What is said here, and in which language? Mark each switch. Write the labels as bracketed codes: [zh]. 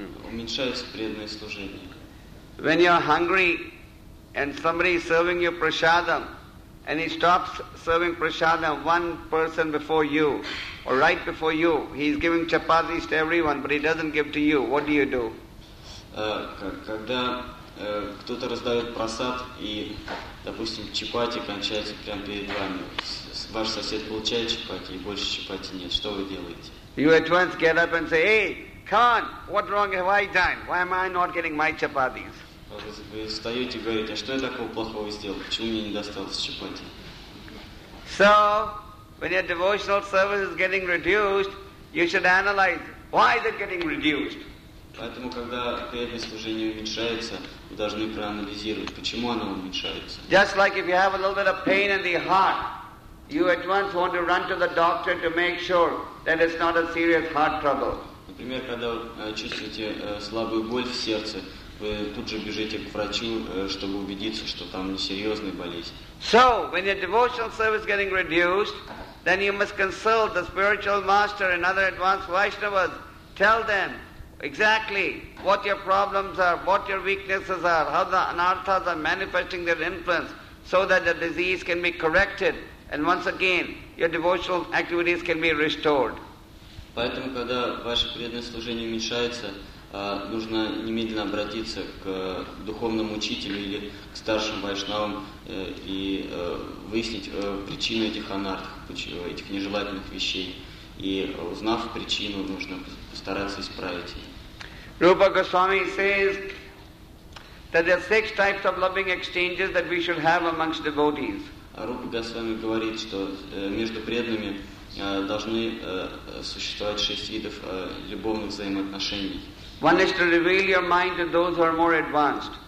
[ru] Уменьшается преданное служение. [en] When you are hungry and somebody is serving you prasadam and he stops serving prasadam one person before you or right before you, he is giving chapatis to everyone but he doesn't give to you, what do you do? [ru] Когда кто-то раздает просад, и, допустим, чапати кончается прямо перед вами. Ваш сосед получает чапати, и больше чапати нет. Что вы делаете? [en] You at once get up and say, "Hey, Khan, what wrong have I done? Why am I not getting my chapatis?" [ru] Вы встаете и говорите, а что я такого плохого сделал? Почему мне не досталось чапати? [en] So, when your devotional service is getting reduced, you should analyze, why is it getting reduced? [ru] Поэтому, когда преданное служение уменьшается, вы должны проанализировать, почему оно уменьшается. [en] Just like if you have a little bit of pain in the heart, you at once want to run to the doctor to make sure that it's not a serious heart trouble. [ru] Например, когда чувствуете слабую боль в сердце, вы тут же бежите к врачу, чтобы убедиться, что там не серьезная болезнь. [en] So, when your devotional service is getting reduced, then you must consult the spiritual master and other advanced Vaishnavas. Tell them exactly what your problems are, what your weaknesses are, how the anarthas are manifesting their influence so that the disease can be corrected and once again your devotional activities can be restored. [ru] Поэтому, когда ваше преданное служение уменьшается, нужно немедленно обратиться к духовному учителю или к старшим вайшнавам и выяснить причину этих анартх, этих нежелательных вещей. И узнав причину, нужно постараться исправить ее. [en] Rupa Goswami says that there are six types of loving exchanges that we should have amongst devotees. [ru] Rupa Goswami говорит, что между преданными должны существовать шесть видов любовных взаимоотношений. [en] One is to reveal your mind to those who are more advanced.